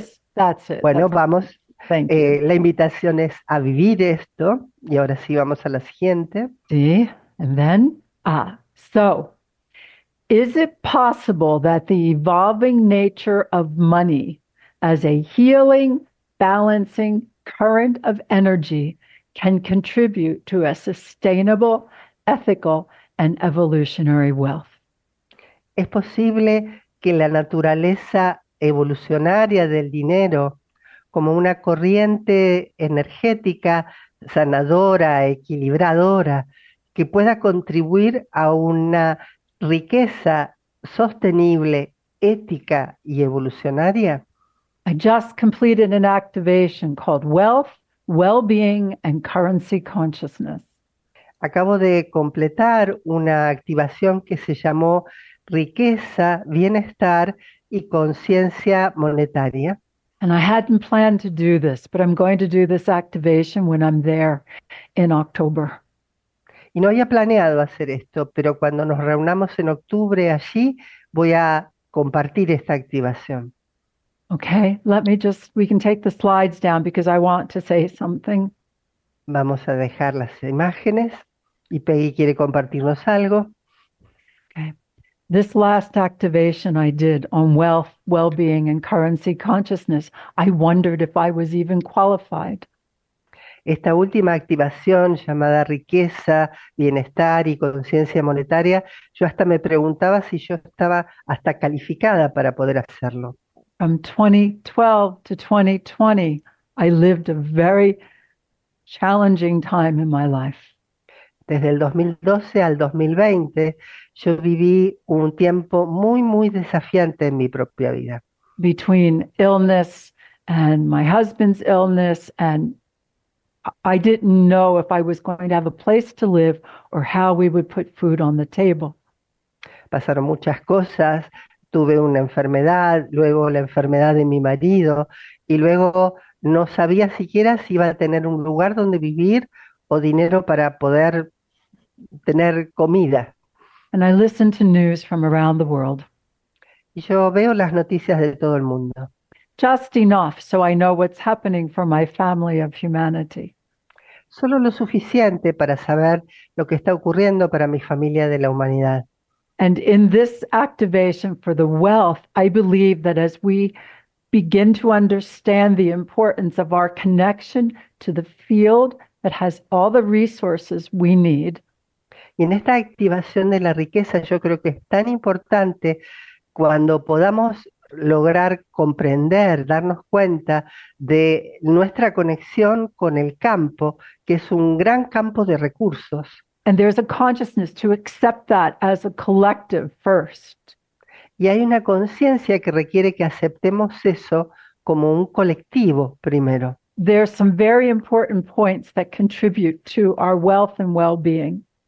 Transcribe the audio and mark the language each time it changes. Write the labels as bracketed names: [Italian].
[English] This. That's it. [Spanish] Bueno, [English] that's [Spanish] vamos. [English] Thank you. [Spanish] La invitación es a vivir esto y ahora sí vamos a la siguiente. Sí. [English] And then, so, is it possible that the evolving nature of money as a healing, balancing current of energy can contribute to a sustainable, ethical, and evolutionary wealth? [Spanish] ¿Es posible que la naturaleza evolucionaria del dinero, como una corriente energética, sanadora, equilibradora, que pueda contribuir a una riqueza sostenible, ética y evolucionaria? [English] I just completed an activation called Wealth, Well-being and Currency Consciousness. [Spanish] Acabo de completar una activación que se llamó Riqueza, Bienestar y Conciencia Monetaria. [English] And I hadn't planned to do this, but I'm going to do this activation when I'm there in October. [Spanish] Y no había planeado hacer esto, pero cuando nos reunamos en octubre allí, voy a compartir esta activación. [English] Okay, let me just, we can take the slides down because I want to say something. [Spanish] Vamos a dejar las imágenes y Peggy quiere compartirnos algo. [English] Okay. This last activation I did on wealth, well-being, and currency consciousness, I wondered if I was even qualified. [Spanish] Esta última activación llamada riqueza, bienestar y conciencia monetaria, yo hasta me preguntaba si yo estaba hasta calificada para poder hacerlo. [English] From 2012 to 2020, I lived a very challenging time in my life. [Spanish] Desde el 2012 al 2020, yo viví un tiempo muy, muy desafiante en mi propia vida. [English] Between illness and my husband's illness, and I didn't know if I was going to have a place to live or how we would put food on the table. [Spanish] Pasaron muchas cosas. Tuve una enfermedad, luego la enfermedad de mi marido, y luego no sabía siquiera si iba a tener un lugar donde vivir o dinero para poder tener comida. [English] And I listen to news from around the world. [Spanish] Y yo veo las noticias de todo el mundo. [English] Just enough so I know what's happening for my family of humanity. [Spanish] Solo lo suficiente para saber lo que está ocurriendo para mi familia de la humanidad. [English] And in this activation for the wealth, I believe that as we begin to understand the importance of our connection to the field that has all the resources we need. [Spanish] Y en esta activación de la riqueza, yo creo que es tan importante cuando podamos lograr comprender, darnos cuenta de nuestra conexión con el campo, que es un gran campo de recursos. [English] And there's a consciousness to accept that as a collective first. [Spanish] Y hay una conciencia que requiere que aceptemos eso como un colectivo primero. [English] There are some very important points that contribute to our wealth and well-being.